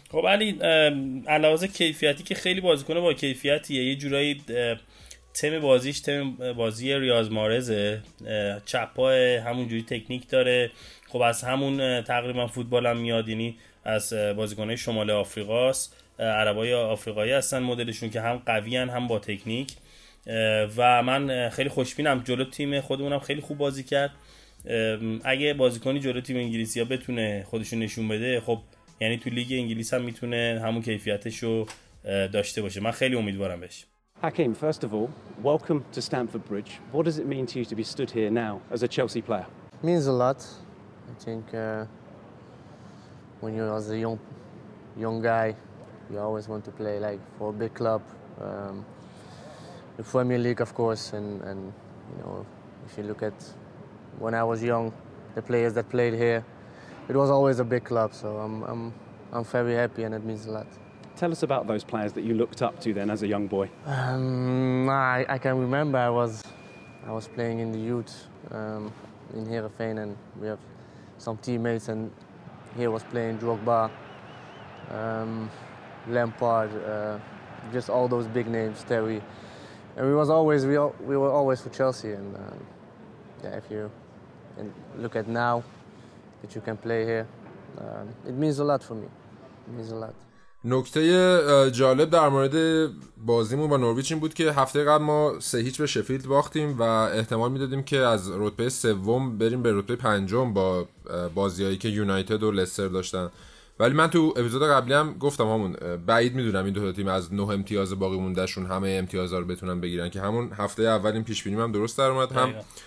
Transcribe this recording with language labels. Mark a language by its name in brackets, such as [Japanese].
[Persian] خب علی، علاوه کیفیتی که خیلی بازیکن با کیفیتیه، یه جورایی تیم بازی ریاض مارزه، چپا همون جوری تکنیک داره، خب از همون تقریبا فوتبال هم میاد، یعنی از بازیکنهای شمال آفریقاست، عربای آفریقایی هستن مدلشون، که هم قوین هم با تکنیک، و من خیلی خوشبینم. جلو تیم خودمونم خیلی خوب بازی کرد. اگه بازیکنی جلو تیم انگلیسی ها بتونه خودشون نشون بده، خب یعنی تو لیگ انگلیس هم میتونه همون کیفیتشو داشته باشه. من خیلی امیدوارم بهش. [English] Hakim, first of all, welcome to Stamford Bridge. What does it mean to you to be stood here now as a Chelsea player? Means a lot. I think when you're as a young guy, you always want to play like for a big club, the Premier League, of course, and you know, if you look at when I was young, the players that played here, it was always a big club. So I'm very happy, and it means a lot. Tell us about those players that you looked up to then as a young boy. I can remember I was playing in the youth in Heerenveen, and we have some teammates, and he was playing Drogba, Lampard, just all those big names, Terry, and we were always for Chelsea. And if you and look at now that you can play here, it means a lot for me. It means a lot. [Persian] نکته جالب در مورد بازیمون با نورویچ این بود که هفته قبل ما 3-0 به شفیلد باختیم و احتمال میدادیم که از رتبه سوم بریم به رتبه پنجم با بازیایی که یونایتد و لستر داشتن، ولی من تو اپیزود قبلی هم گفتم همون بعید میدونم این دو تیم از 9 امتیاز باقی مونده شون همه امتیازا رو بتونن بگیرن، که همون هفته اولیم پیشبینیم هم درست در اومد.